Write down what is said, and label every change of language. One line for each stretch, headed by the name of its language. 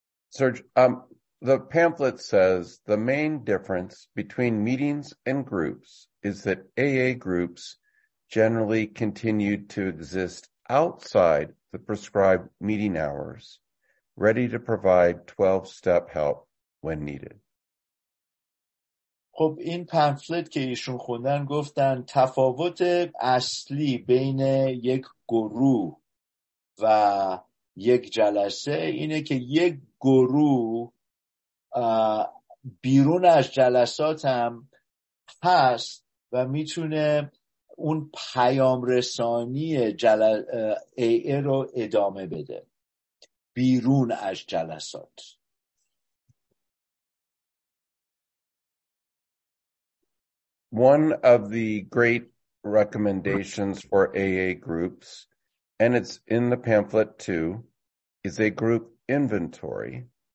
English: Serge, the pamphlet says the main difference between meetings and groups is that AA groups generally continue to exist outside the prescribed meeting hours, ready to provide 12-step help when needed.
Persian: خب این پمفلت که ایشون خوندن گفتن تفاوت اصلی بین یک گروه و یک جلسه اینه که یک گروه بیرون از جلسات هم هست و میتونه اون پیام رسانی AA رو ادامه بده بیرون از جلسات.
English: One of the great recommendations for AA groups, and it's in the pamphlet too, is a group inventory.